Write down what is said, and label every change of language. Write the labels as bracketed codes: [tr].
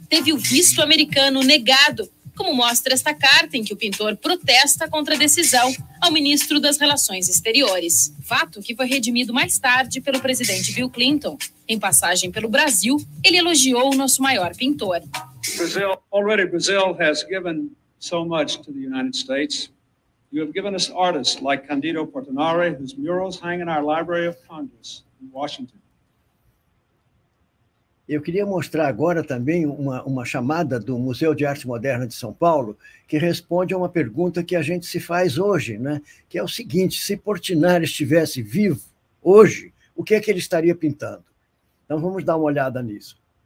[pt] Teve o visto americano negado, como mostra esta carta em que o pintor protesta contra a decisão ao ministro das Relações Exteriores. Fato que foi redimido mais tarde pelo presidente Bill Clinton. Em passagem pelo Brasil, ele elogiou o nosso maior pintor. [en] Brazil has given so much to the United States. You have given us artists like Cândido Portinari, whose murals hang in our Library of Congress in Washington. [pt] Eu queria mostrar agora também uma chamada do Museu de Arte Moderna de São Paulo, que responde a uma pergunta que a gente se faz hoje, né? Que é o seguinte: se Portinari estivesse vivo hoje, o que é que ele estaria pintando? Então vamos dar uma olhada nisso.